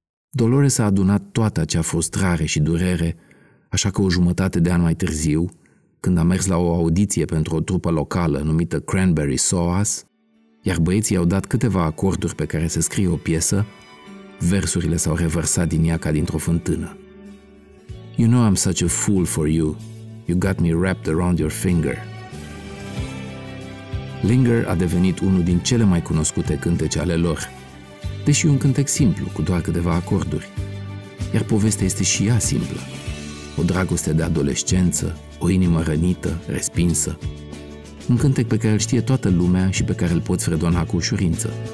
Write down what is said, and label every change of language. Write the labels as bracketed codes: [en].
[ro] Dolores a adunat toată acea frustrare și durere, așa că o jumătate de an mai târziu, când a mers la o audiție pentru o trupă locală numită Cranberry Soas, iar băieții i-au dat câteva acorduri pe care se scrie o piesă, versurile s-au revărsat din ea ca dintr-o fântână. [en] You know I'm such a fool for you. You got me wrapped around your finger. [ro] Linger a devenit unul din cele mai cunoscute cântece ale lor, deși un cântec simplu, cu doar câteva acorduri. Iar povestea este și ea simplă. O dragoste de adolescență, o inimă rănită, respinsă. Un cântec pe care îl știe toată lumea și pe care îl poți fredona cu ușurință.